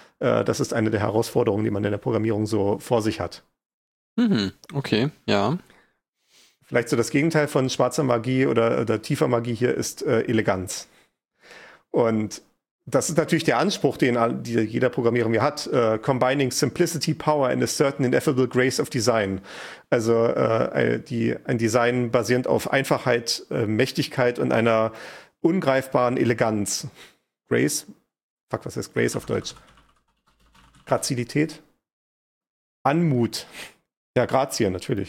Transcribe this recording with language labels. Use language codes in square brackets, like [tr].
[de] Das ist eine der Herausforderungen, die man in der Programmierung so vor sich hat. Okay, ja. Vielleicht so das Gegenteil von schwarzer Magie oder tiefer Magie hier ist Eleganz. Und das ist natürlich der Anspruch, den jeder Programmierer mir hat. [en] Combining simplicity, power and a certain ineffable grace of design. [de] Also ein Design basierend auf Einfachheit, Mächtigkeit und einer ungreifbaren Eleganz. Grace? Fuck, was heißt Grace auf Deutsch? Grazilität? Anmut? Ja, Grazie natürlich.